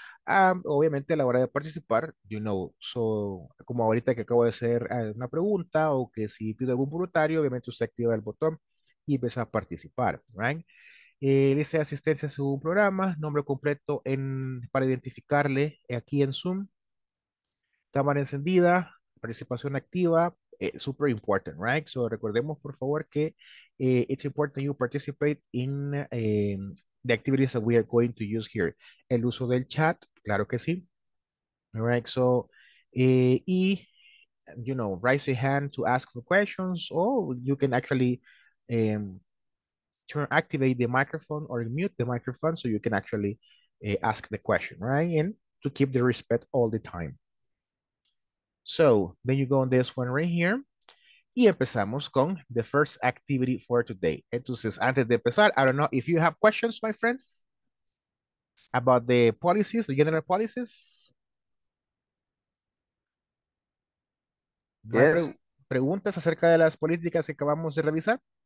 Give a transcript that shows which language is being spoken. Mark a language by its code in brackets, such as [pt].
[es] Obviamente a la hora de participar, [en] you know, so, [es] como ahorita que acabo de hacer una pregunta o que si pido algún voluntario, obviamente usted activa el botón y empieza a participar, [en] right? [es] Lista de asistencia según programa, nombre completo en, para identificarle aquí en Zoom, cámara encendida, participación activa, [en] super important, right? So [es] recordemos por favor que [en] it's important you participate in the activities that we are going to use here. [es] El uso del chat, claro que sí. [en] All right, so, [es] y, [en] you know, raise your hand to ask for questions, or you can actually activate the microphone or mute the microphone so you can actually ask the question, right? And to keep the respect all the time. So, then you go on this one right here. [es] Y empezamos con [en] the first activity for today. [es] Entonces, antes de empezar, [en] I don't know if you have questions, my friends, about the policies, the general policies. Yes. [es] ¿Preguntas acerca de las políticas que acabamos de revisar?